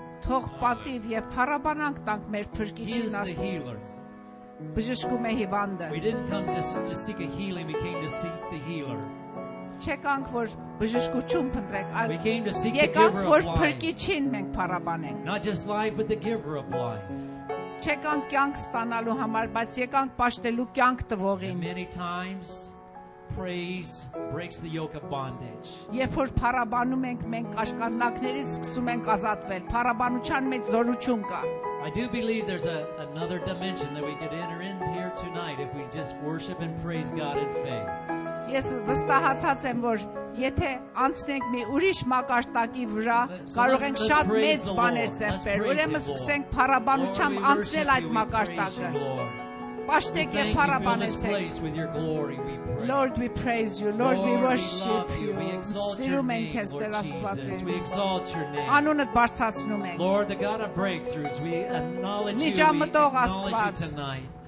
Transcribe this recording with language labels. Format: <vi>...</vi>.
<hy>Թող պատիվ եւ փառաբանանք տանք մեր փրկիչին Աստծո։ Բժշկում է հիվանդը։</hy> <en>We didn't come to seek a healing, we came to seek the healer.</en> <hy>Չեկանք որ բժշկություն փնտրեք, այլ եկանք որ փրկիչին մենք փառաբանենք։</hy> <en>Not just life, but the giver of life.</en> <hy>Չեկանք կյանք ստանալու համար, բայց եկանք ապշտելու կյանք տվողին։</hy> <en>Many times praise breaks the yoke of bondage.</en> <hy>Երբ որ փառաբանում ենք, մենք աշկանդակներից սկսում ենք ազատվել։ Փառաբանության մեջ զորություն կա։</hy> <en>I do believe there's another dimension that we could enter into here tonight if we just worship and praise God in faith.</en> <hy>Ես վստահացած եմ, որ եթե անցնենք մի ուրիշ մակարտակի վրա, կարող ենք շատ մեծ բաներ ձեռք բերել։ Ուրեմն սկսենք փառաբանությամբ անցնել այդ մակարտակը։</hy> <en>Thank you, fill this place with your glory, we pray. Lord, we praise you. Lord, Lord, we worship you. We exalt your name, Lord Jesus. We exalt your name. Lord, the God of breakthroughs, we acknowledge you. We acknowledge you tonight.</en>